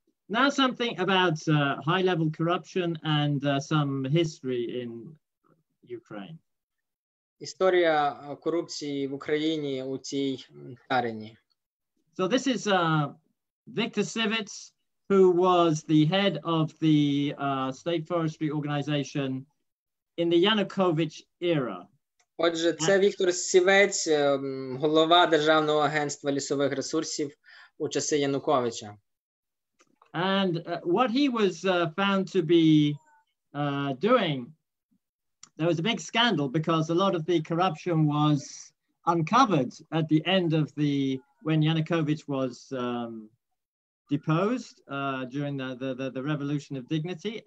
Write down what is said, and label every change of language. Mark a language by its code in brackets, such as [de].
[en] Now something about high-level corruption and some history in Ukraine. [uk] Історія корупції в Україні у цій царині. [en] So this is Victor Civits, who was the head of the state forestry organization in the Yanukovych era. [uk] Отже, це Віктор Сівець, голова Державного агентства лісових ресурсів у часи Януковича. [en] And what he was found to be doing, there was a big scandal because a lot of the corruption was uncovered at the end of the, when Yanukovych was deposed during the Revolution of Dignity.